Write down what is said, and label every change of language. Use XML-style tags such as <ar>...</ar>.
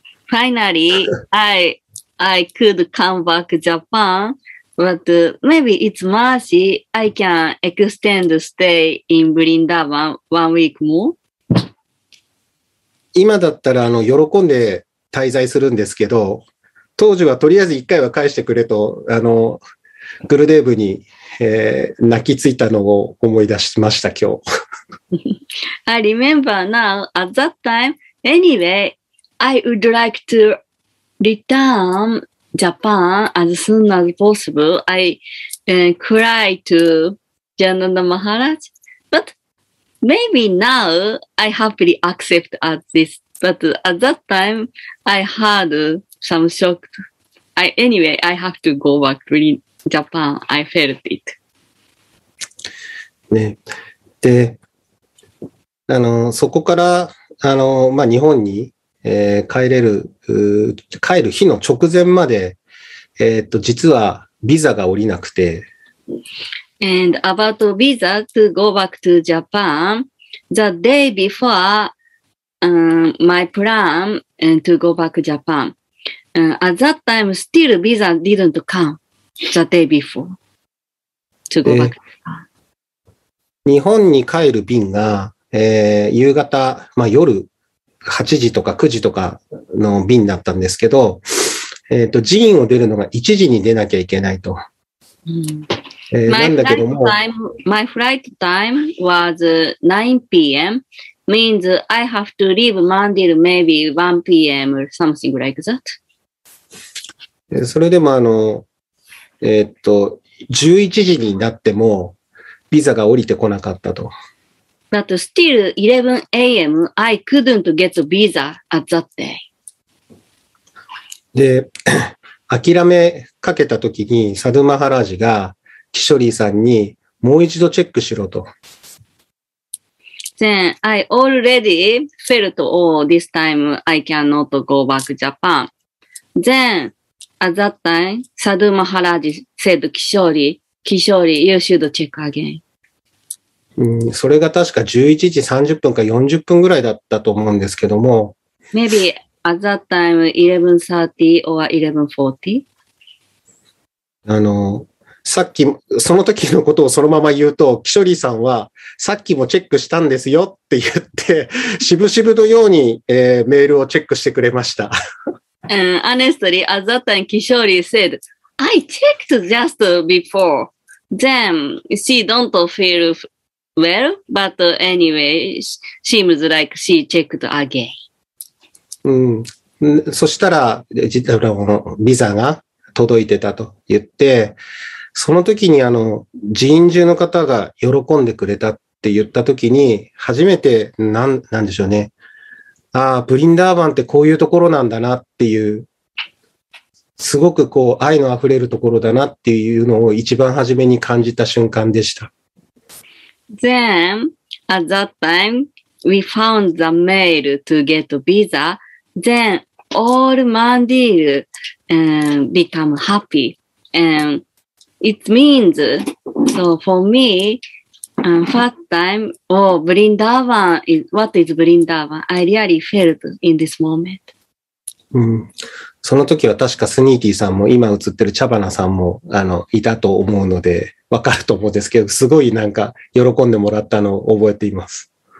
<en>Finally, I could come back Japan, but maybe it's mercy I can extend stay in ブリンダーバン one week more.</en> <ja>今だったら喜んで滞在するんですけど、当時はとりあえず一回は返してくれと、グルデーブに、泣きついたのを思い出しました、今日。</ja> <en>I remember now, at that time, anyway, I would like to return Japan as soon as possible. I cry to Jananda Maharaj, but maybe now I happily accept at this, but at that time, I had some shock. I have to go back to Japan, I felt it.</en> <ja>ね。で、そこから、まあ、日本に、帰る日の直前まで、実はビザが降りなくて。</ja> <en>And about visa to go back to Japan, the day before, my plan to go back to Japan. At that time, still visa didn't come. The day before to go back.</en> <ja>日本に帰る便が、夕方、まあ、夜8時とか9時とかの便だったんですけど、寺院を出るのが1時に出なきゃいけないと。なんだけども。</ja> <en>My flight time was 9 PM, means I have to leave Mandir maybe 1 PM or something like that.</en> <ja>それでも11時になっても、ビザが降りてこなかったと。</ja> <en>But still, 11 AM, I couldn't get a visa at that day.</en> <ja>で、諦めかけたときに、サドゥマハラージが、キショリーさんに、もう一度チェックしろと。</ja> <en>Then, I already felt, oh, this time I cannot go back to Japan. Then,At that time, Sadhu Maharaj said, Kishori, you should check again.</en> <ja>それが確か11時30分か40分ぐらいだったと思うんですけども。</ja> <en>Maybe at that time, 11:30 or 11:40?</en> <ja>さっき、その時のことをそのまま言うと、キショリーさんは、さっきもチェックしたんですよって言って、しぶしぶのように、メールをチェックしてくれました。</ja> <en>Honestly, at that time, Kishori said, I checked just before. Then, she don't feel well, but anyway, seems like she checked again.</en> <ja>うん。そしたら、ビザが届いてたと言って、その時に人中の方が喜んでくれたって言った時に、初めて、なんでしょうね。ああ、ブリンダーバンってこういうところなんだなっていう、すごくこう愛の溢れるところだなっていうのを一番初めに感じた瞬間でした。</ja> <en>Then, at that time, we found the mail to get visa. Then, all Mandir, become happy. And it means, so for me,first time, oh, Vrindavan, what is Vrindavan? I really felt in this moment.</en> <ja>うん。その時は確かスニーティーさんも、今映ってるチャバナさんも、いたと思うので、わかると思うんですけど、すごいなんか、喜んでもらったのを覚えています。</ja>